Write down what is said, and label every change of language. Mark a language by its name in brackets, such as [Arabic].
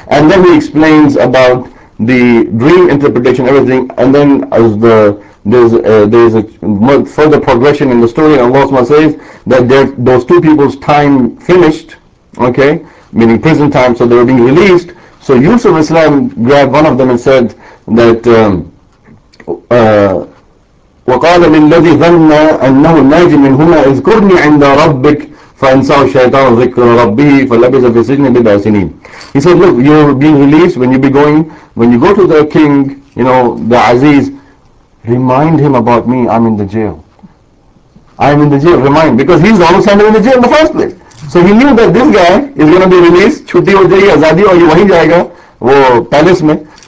[English] And then he explains about the dream interpretation, everything. And then as there's a further progression in the story. Allah says that those two people's time finished, okay, meaning prison time, so they were being released. So Yusuf Islam grabbed one of them and said that, [Arabic] وَقَالَ لِلَّذِي ظَنَّ أَنَّهُ النَّاجِ مِنْهُمَا اِذْكُرْنِي عِنْدَ رَبِّكَ فَأَنْسَاهُ الشَّيْطَانُ ذِكْرَ رَبِّهِ فَلَبِثَ فِي السِّجْنِ بِضْعَ سِنِينَ. [English] He said, look, you're being released, when you go to the king, you know, the aziz, remind him about me, I'm in the jail, remind, because he's the one who sent him in the jail in the first place. So he knew that this guy is going to be released, [Urdu] chutti ho jayegi, azadi, aur ye wahi jayega, wo palace mein.